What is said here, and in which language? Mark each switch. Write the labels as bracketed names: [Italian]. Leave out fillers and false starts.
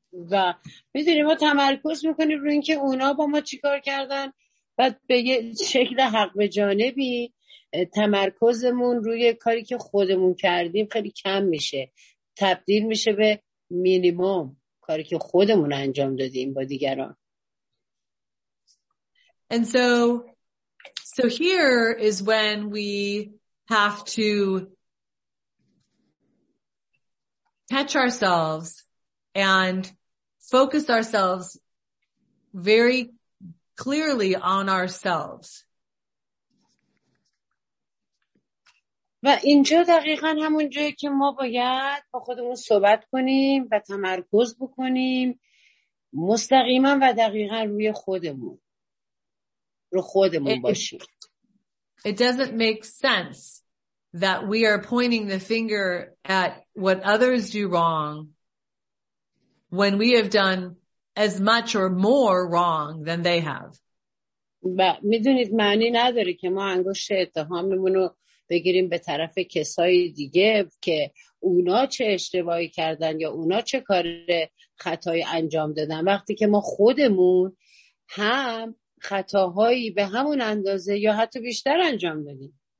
[Persian] و میدونی ما تمرکز میکنیم روی اینکه اونا با ما چیکار کردن بعد به یه شکل حق به جانبی تمرکزمون روی کاری که خودمون کردیم خیلی کم میشه تبدیل میشه به مینیمم کاری که خودمون انجام دادیم با دیگران. [English] And so here is when we have to catch ourselves and focus ourselves very clearly on ourselves. [Persian] و اینجا دقیقاً همون جایی که ما باید با خودمون صحبت کنیم و تمرکز بکنیم مستقیماً و دقیقاً روی خودمون رو خودمون باشیم. [English] It doesn't make sense that we are pointing the finger at what others do wrong when we have done as much or more wrong than they have. [Persian] و میدونید معنی نداره که ما انگشت اتهاممون رو بگیریم به طرف کسای دیگه که اونا چه اشتباهی کردن یا اونا چه کار خطایی انجام دادن وقتی که ما خودمون هم خطاهایی به همون اندازه یا حتی بیشتر انجام دادیم.